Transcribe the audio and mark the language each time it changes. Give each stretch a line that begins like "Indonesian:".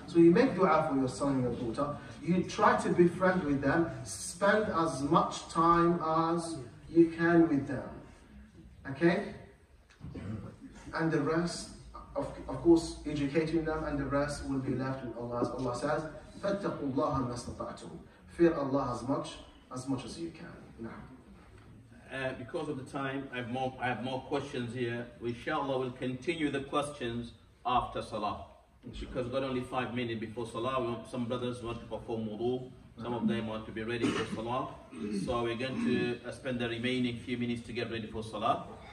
English: So you make dua for your son and your daughter, you try to befriend with them, spend as much time as you can with them, okay? And the rest, of course, educating them, and the rest will be left with Allah. Allah says,
Arabic: فَاتَّقُوا اللَّهَ مَا اسْتَطَعْتُمْ.
English: Fear Allah as much as you can. Because of the time, I have more questions here. Inshallah, we'll continue the questions after Salah. Inshallah. Because we've got only 5 minutes before Salah. Some brothers want to perform wudu. Some of them want to be ready for Salah. So we're going to spend the remaining few minutes to get ready for Salah.